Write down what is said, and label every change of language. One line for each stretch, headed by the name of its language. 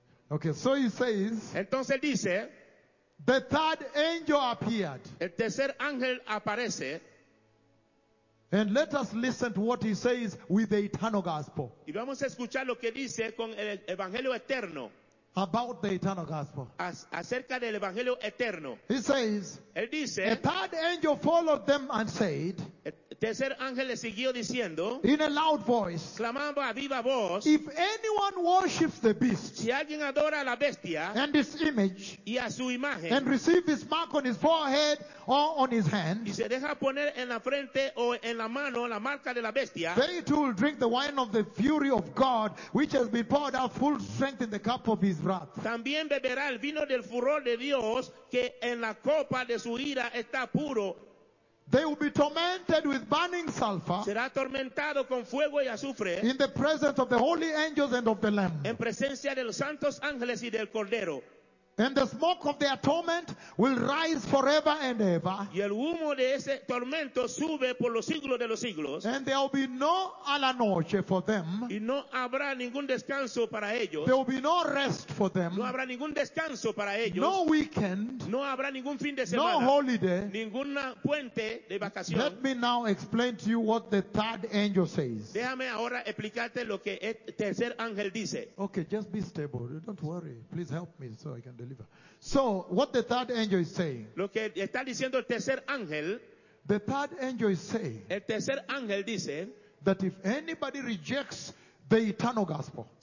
English: Okay, so he says.
Spanish: Entonces dice.
English: The third angel appeared.
Spanish: El tercer ángel aparece.
English: And let us listen to what he says with the eternal gospel.
Spanish: Y vamos a escuchar lo que dice con el evangelio eterno.
English: About the eternal gospel.
Spanish: Acerca del evangelio eterno.
English: He says.
Spanish: Él dice.
English: A third angel followed them and said.
Spanish: El tercer ángel le siguió diciendo.
English: In a loud voice.
Spanish: Clamando a viva voz.
English: If anyone worships the beast.
Spanish: Si alguien adora a la bestia.
English: And his image.
Spanish: Y a su imagen.
English: And receive his mark on his forehead. Or on his hand.
Spanish: Y se deja poner en la frente o en la mano la marca de la bestia.
English: They too will drink the wine of the fury of God, which has been poured out full strength in the cup of his wrath.
Spanish: También beberá el vino del furor de Dios que en la copa de su ira está puro.
English: They will be tormented with burning sulfur.
Spanish: Será atormentado con fuego y azufre.
English: In the presence of the holy angels and of the Lamb.
Spanish: En presencia de los santos ángeles y del cordero.
English: And the smoke of their torment will rise forever and ever.
Spanish: Y el humo de ese tormento sube por los siglos de los siglos.
English: And there will be no
Spanish: a la noche
English: for them.
Spanish: Y no habrá ningún descanso para ellos.
English: There will be no rest for them.
Spanish: No habrá ningún descanso para ellos.
English: No weekend.
Spanish: No habrá ningún fin de semana.
English: No holiday.
Spanish: Ninguna puente de vacación.
English: Let me now explain to you what the third angel says.
Spanish: Déjame ahora explicarte lo que el tercer ángel dice.
English: Okay, just be stable. Don't worry. Please help me so I can deliver. So, what the third angel is saying?
Spanish: Lo que está diciendo el tercer ángel.
English: The third angel is saying.
Spanish: El tercer ángel dice.
English: That if anybody rejects the eternal gospel.